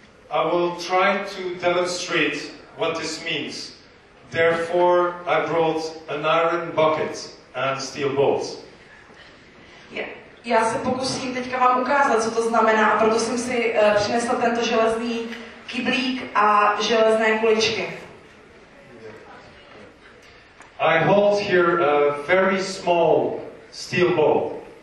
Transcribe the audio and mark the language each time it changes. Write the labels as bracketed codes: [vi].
[en] I will try to demonstrate what this means. Therefore, I brought an iron bucket and steel balls. [cs] Já se pokusím teďka vám ukázat, co to znamená, a proto jsem si přinesla tento železný kyblík a železné kuličky. [en] I hold here a very small steel ball.